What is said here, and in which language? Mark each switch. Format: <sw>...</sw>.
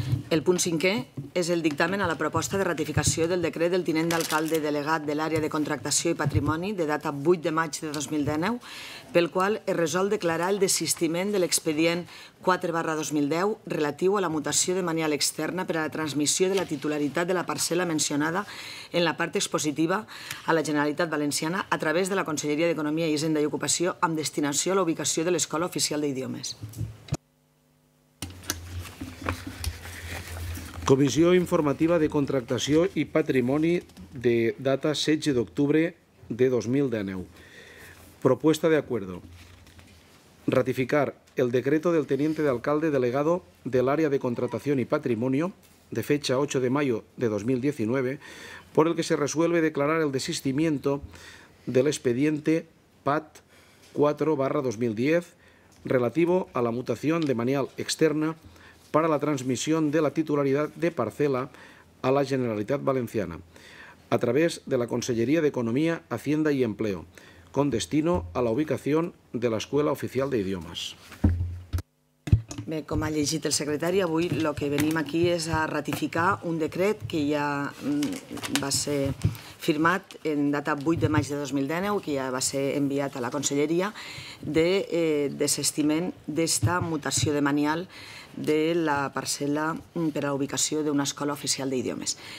<ca>El punt cinquè és el dictamen a la proposta de ratificació del decret del tinent d'alcalde delegat de l'àrea de contractació i patrimoni de data 8 de maig de 2019, pel qual es resol declarar el desistiment de l'expedient 4/2010 relatiu a la mutació de manial externa per a la transmissió de la titularitat de la parcel·la mencionada en la part expositiva a la Generalitat Valenciana a través de la Conselleria d'Economia, Hisenda i Ocupació amb destinació a la ubicació de l'Escola Oficial d'Idiomes. Comissió informativa de contractació i patrimoni de data 16 d'octubre de 2019. Proposta d'acord.</ca> <es>Ratificar el decreto del teniente de alcalde delegado del área de contratación y patrimonio de fecha 8 de mayo de 2019 por el que se resuelve declarar el desistimiento del expediente PAT 4/2010 relativo a la mutación de manial externa</es> <ca>per a la transmissió de la titularitat de parcel·la a la Generalitat Valenciana a través de la Conselleria d'Economia, Hacienda i Empleo,</ca> <es>con destino a</es> <ca>la ubicació de l'Escola Oficial d'Idiomes. Bé, com ha llegit el secretari, avui el que venim aquí és a ratificar un decret que ja va ser firmat en data 8 de maig de 2019, que ja va ser enviat a la Conselleria, de desestiment d'esta mutació demanial de la parcel·la per a la ubicació d'una escola oficial d'idiomes.</ca>